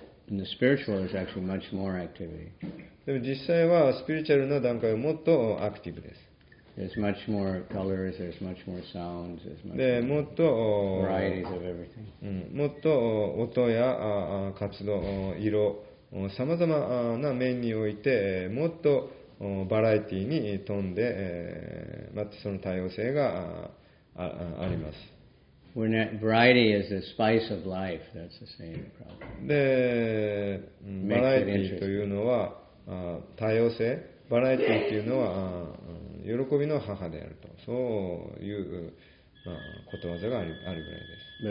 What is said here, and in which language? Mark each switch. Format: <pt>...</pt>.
<en>In the spiritual, there's actually much more activity.</en> <ja>でも実際はスピリチュアルな段階はもっとアクティブです。</ja> <en>There's much more colors, there's much more sounds, there's much more varieties of everything.</en> <ja>もっと音や活動、色、さまざまな面において、もっとバラエティに富んで、またその多様性が あります。</ja> <en>Variety is the spice of life. That's the same problem.</en> <ja>で、バラエティというのは多様性、バラエティというのは喜びの母であると、そういう、まあ、ことわざがあるぐらいです。</ja>